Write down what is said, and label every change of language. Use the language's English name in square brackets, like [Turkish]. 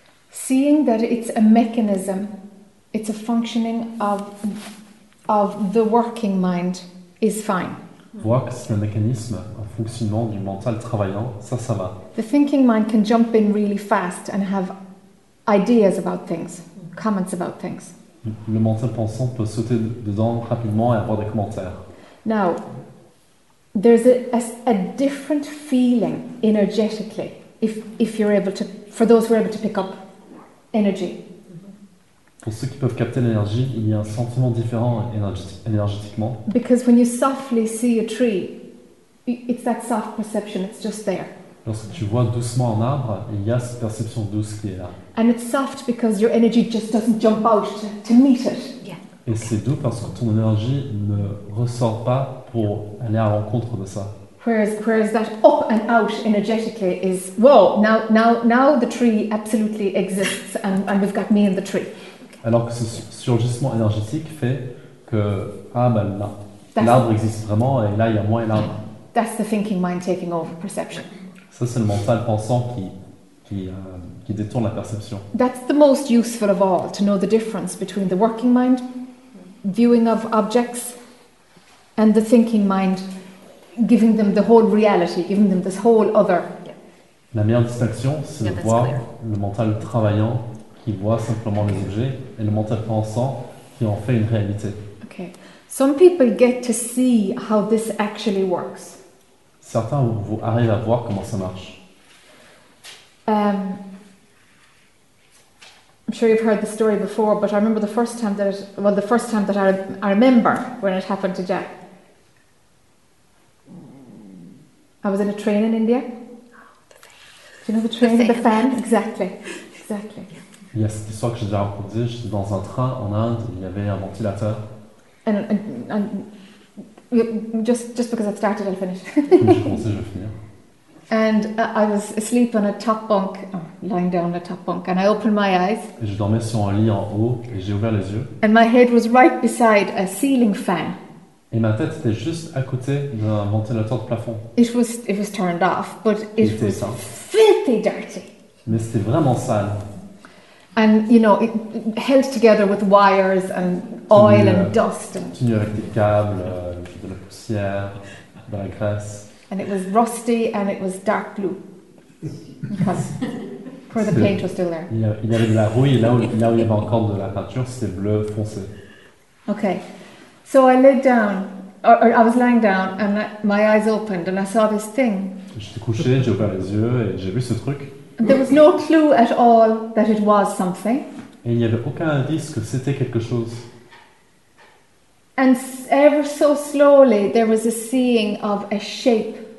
[English] Seeing that it's a mechanism, it's a functioning of the working mind is fine. [French] Voir que c'est un mécanisme, un fonctionnement du mental travaillant, ça va. [English] The thinking mind can jump in really fast and have ideas about things, comments about things. [French] Le mental pensant peut sauter dedans rapidement et avoir des commentaires. [English] Now, there's a different feeling energetically if you're able to, for those who are able to pick up energy. [French] Pour ceux qui peuvent capter l'énergie, il y a un sentiment différent énergétiquement. [English] Because when you softly see a tree, it's that soft perception, it's just there. [French] Lorsque tu vois doucement un arbre, il y a cette perception douce qui est là. [English] And it's soft because your energy just doesn't jump out to meet it. Yeah. [French] Et c'est doux parce que ton énergie ne ressort pas pour aller à l'encontre de ça. [English] Whereas that up and out energetically is, whoa, now the tree absolutely exists and we've got me in the tree. [French] Alors que ce surgissement énergétique fait que l'arbre existe vraiment et là il y a moi et l'arbre. [English] That's the thinking mind taking over perception. [French] Ça c'est le mental pensant qui détourne la perception. [English] That's the most useful of all, to know the difference between the working mind viewing of objects and the thinking mind giving them the whole reality, giving them this whole other. [French] La meilleure distinction c'est de voir le mental travaillant qui voit simplement les objets et le mental pensant qui en fait une réalité. [English] Okay. Some people get to see how this actually works. [French] Certains vous arrivent à voir comment ça marche. [English] I'm sure you've heard the story before, but I remember the first time that I remember when it happened to Jack. I was in a train in India. Do you know the train, the fan? Exactly. [French] Il y a cette histoire que j'ai déjà racontée, j'étais dans un train en Inde, il y avait un ventilateur. [English] And just because I've started, I'll finish. [French] J'ai commencé, je vais finir. [English] And I was asleep on a top bunk, lying down on a top bunk, and I opened my eyes. [French] Et je dormais sur un lit en haut, et j'ai ouvert les yeux. [English] And my head was right beside a ceiling fan. [French] Et ma tête était juste à côté d'un ventilateur de plafond. [English] It was turned off, but it was [French] sale. [English] Filthy dirty. [French] Mais c'était vraiment sale. [English] And you know, it held together with wires and oil and dust. [French] Tenu avec des câbles, de la poussière, de la graisse. [English] And it was rusty and it was dark blue. Because the paint was still there. [French] Il y avait de la rouille, là où il y avait encore de la peinture, c'était bleu foncé. [English] Okay, so I laid down, or I was lying down, and my eyes opened and I saw this thing. [French] J'étais couché, j'ai ouvert les yeux et j'ai vu ce truc. [English] There was no clue at all that it was something. [French] Et il n'y avait aucun indice que c'était quelque chose. [English] And ever so slowly, there was a seeing of a shape.